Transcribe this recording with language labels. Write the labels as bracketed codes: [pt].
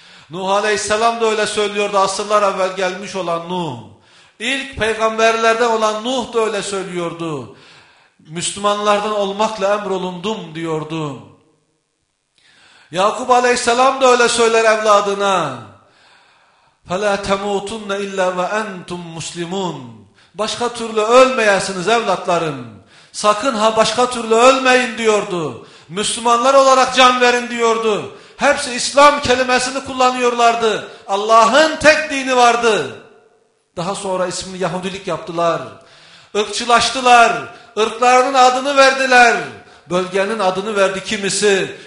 [tr] Nuh Aleyhisselam da öyle söylüyordu, asırlar evvel gelmiş olan Nuh. İlk peygamberlerden olan Nuh da öyle söylüyordu. Müslümanlardan olmakla emrolundum diyordu. Yakup Aleyhisselam da öyle söyler evladına. [ar] فَلَا تَمُوتُنَّ اِلَّا وَاَنْتُمْ مُسْلِمُونَ [tr] Başka türlü ölmeyesiniz evlatlarım. Sakın ha başka türlü ölmeyin diyordu. Müslümanlar olarak can verin diyordu. Hepsi İslam kelimesini kullanıyorlardı. Allah'ın tek dini vardı. Daha sonra ismini Yahudilik yaptılar. Irkçılaştılar. Irklarının adını verdiler. Bölgenin adını verdi kimisi.